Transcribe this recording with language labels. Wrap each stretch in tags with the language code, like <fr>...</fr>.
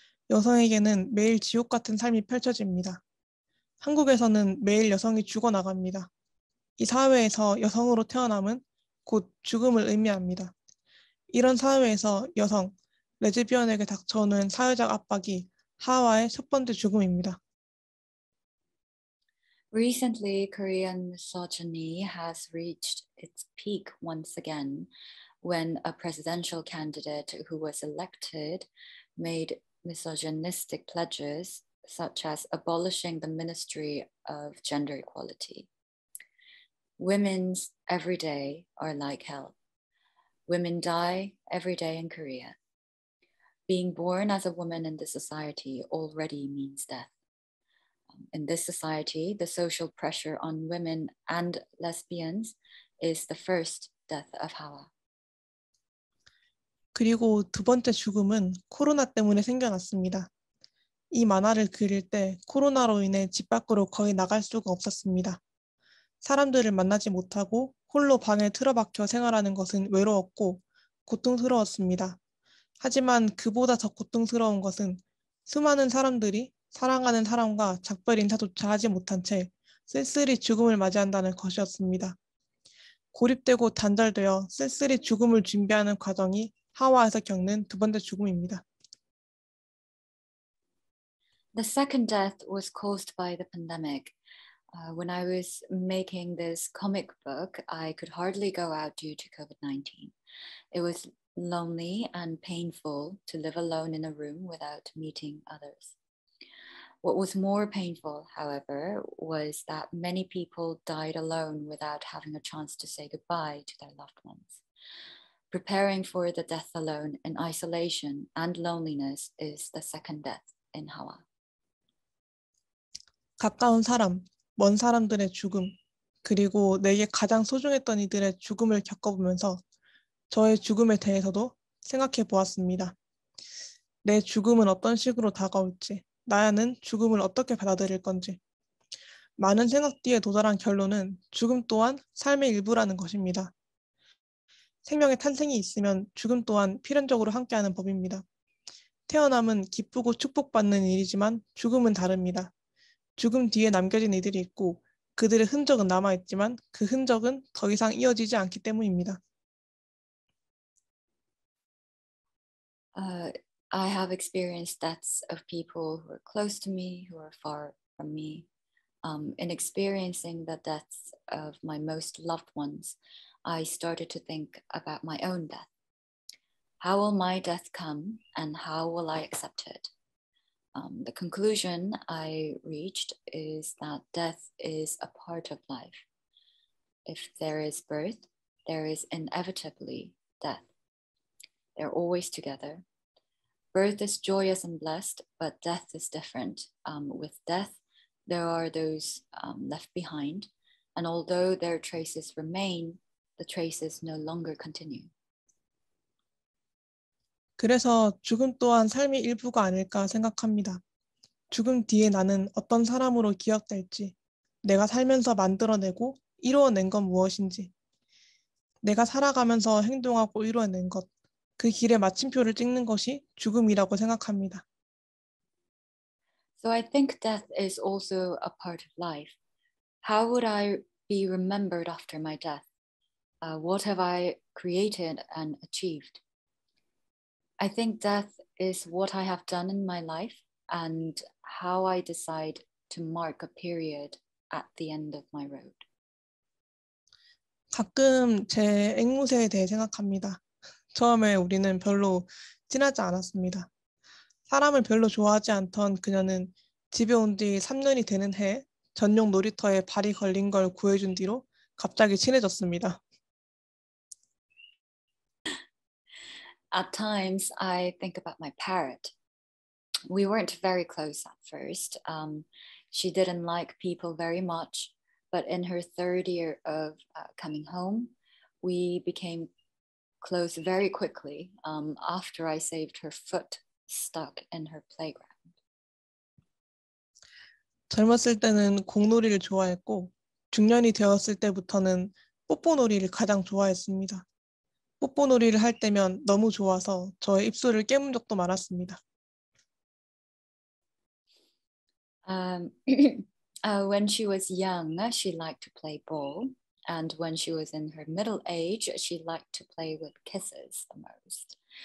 <ko>여성에게는 매일 지옥 같은 삶이 펼쳐집니다. 한국에서는 매일 여성이 죽어나갑니다. 이 사회에서 여성으로 태어남은 곧 죽음을 의미합니다. 이런 사회에서 여성, 레즈비언에게 닥쳐오는 사회적 압박이 하와의 첫 번째 죽음입니다.</ko> <en>Recently, Korean misogyny has reached its peak once again when a presidential candidate who was elected made misogynistic pledges, such as abolishing the Ministry of Gender Equality. Women's every day are like hell. Women die every day in Korea. Being born as a woman in the society already means death. In this society, the social pressure on women and lesbians is the first death of HAWWAH.</en> <ko>그리고 두 번째 죽음은 코로나 때문에 생겨났습니다. 이 만화를 그릴 때 코로나로 인해 집 밖으로 거의 나갈 수가 없었습니다. 사람들을 만나지 못하고 홀로 방에 틀어박혀 생활하는 것은 외로웠고 고통스러웠습니다. 하지만 그보다 더 고통스러운 것은 수많은 사람들이 사랑하는 사람과 작별 인사조차 하지 못한 채 쓸쓸히 죽음을 맞이한다는 것이었습니다. 고립되고 단절되어 쓸쓸히 죽음을 준비하는 과정이 하와에서 겪는 두 번째 죽음입니다.</ko> <en>The second death was caused by the pandemic. When I was making this comic book, I could hardly go out due to COVID-19. It was lonely and painful to live alone in a room without meeting others. What was more painful, however, was that many people died alone without having a chance to say goodbye to their loved ones. Preparing for the death alone in isolation and loneliness is the second death in HAWWAH.</en> <ko>가까운 사람, 먼 사람들의 죽음, 그리고 내게 가장 소중했던 이들의 죽음을 겪어보면서 저의 죽음에 대해서도 생각해 보았습니다. 내 죽음은 어떤 식으로 다가올지, 나야는 죽음을 어떻게 받아들일 건지. 많은 생각 뒤에 도달한 결론은 죽음 또한 삶의 일부라는 것입니다. 생명의 탄생이 있으면 죽음 또한 필연적으로 함께하는 법입니다. 태어남은 기쁘고 축복받는 일이지만 죽음은 다릅니다. 죽음 뒤에 남겨진 이들이 있고 그들의 흔적은 남아있지만 그 흔적은 더 이상 이어지지 않기 때문입니다.</ko> <en>I have experienced deaths of people who are close to me, who are far from me. In experiencing the deaths of my most loved ones, I started to think about my own death. How will my death come and how will I accept it? The conclusion I reached is that death is a part of life. If there is birth, there is inevitably death. They're always together. Birth is joyous and blessed, but death is different. With death, there are those left behind, and although their traces remain, the traces no longer continue.</en> <ko>그래서 죽음 또한 삶의 일부가 아닐까 생각합니다. 죽음 뒤에 나는 어떤 사람으로 기억될지, 내가 살면서 만들어내고 이루어낸 건 무엇인지, 내가 살아가면서 행동하고 이루어낸 것, 그 길에 마침표를 찍는 것이 죽음이라고 생각합니다.</ko> <en>So I think death is also a part of life. How would I be remembered after my death? What have I created and achieved? I think death is what I have done in my life and how I decide to mark a period at the end of my road.</en> <ko>가끔 제 앵무새에 대해 생각합니다. 처음에 우리는 별로 친하지 않았습니다. 사람을 별로 좋아하지 않던 그녀는 집에 온뒤 3년이 되는 해 전용 놀이터에 발이 걸린 걸 구해준 뒤로 갑자기 친해졌습니다.</ko> <en>At times, I think about my parrot. We weren't very close at first. She didn't like people very much. But in her third year of coming home, we became close very quickly after I saved her foot stuck in her playground.</en> <ko>젊었을 때는 공놀이를 좋아했고, 중년이 되었을 때부터는 뽀뽀놀이를 가장 좋아했습니다. 뽀뽀놀이를 할 때면 너무 좋아서 저의 입술을 깨문 적도 많았습니다.</ko> <en>When she was young, she liked to play ball. And when she was in her middle age, she liked to play with kisses the most.</en>